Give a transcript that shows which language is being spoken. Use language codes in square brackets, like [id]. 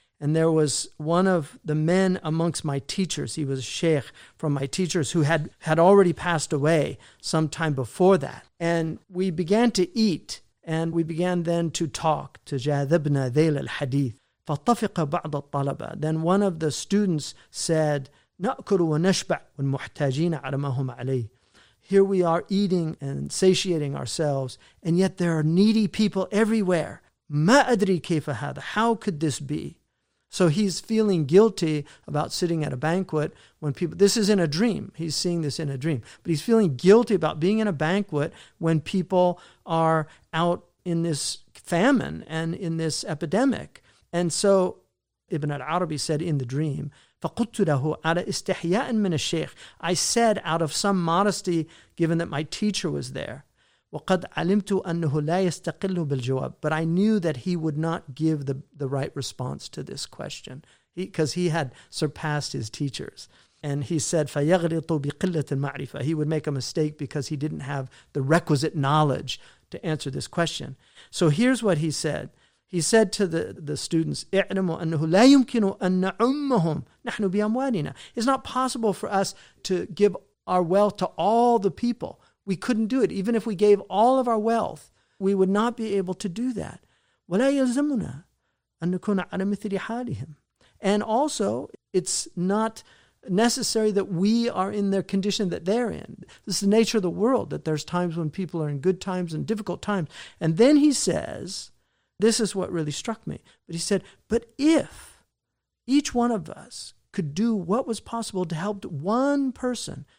[en] And there was one of the men amongst my teachers, he was a sheikh from my teachers, who had already passed away some time before that. And we began to eat, and we began then to talk, to [ar] جَاذَبْنَا ذَيْلَ الْحَدِيثِ فَطَفِقَ بَعْضَ الطَّلَبَةِ. [en] Then one of the students said, [ar] نَأْكُلُ وَنَشْبَعْ وَالْمُحْتَاجِينَ عَلَى مَا هُمْ عَلَيْهِ. [en] Here we are eating and satiating ourselves, and yet there are needy people everywhere. [ar] مَا أَدْرِي كَيْفَ هَذَا. [en] How could this be? So he's feeling guilty about sitting at a banquet when people, this is in a dream, he's seeing this in a dream, but he's feeling guilty about being in a banquet when people are out in this famine and in this epidemic. And so Ibn al-Arabi said in the dream, [ar] فَقُلْتُ لَهُ عَلَى إِسْتِحْيَاءٍ مِنَ الشَّيْخِ. [en] I said out of some modesty, given that my teacher was there, [ar] وَقَدْ عَلِمْتُ أَنَّهُ لَا يَسْتَقِلُّ بِالْجَوَابِ. [en] But I knew that he would not give the right response to this question, because he had surpassed his teachers. And he said, [ar] فَيَغْلِطُ بِقِلَّةِ الْمَعْرِفَةِ. [en] He would make a mistake because he didn't have the requisite knowledge to answer this question. So here's what he said. He said to the students, [ar] اعلموا أنه لا يمكن أن نعمهم نحن بأموالنا. [en] It's not possible for us to give our wealth to all the people. We couldn't do it. Even if we gave all of our wealth, we would not be able to do that. [ar] ولا يلزمنا أن نكون على مثل حالهم. [en] And also, it's not necessary that we are in the condition that they're in. This is the nature of the world, that there's times when people are in good times and difficult times. And then he says, this is what really struck me, but he said, but if each one of us could do what was possible to help one person.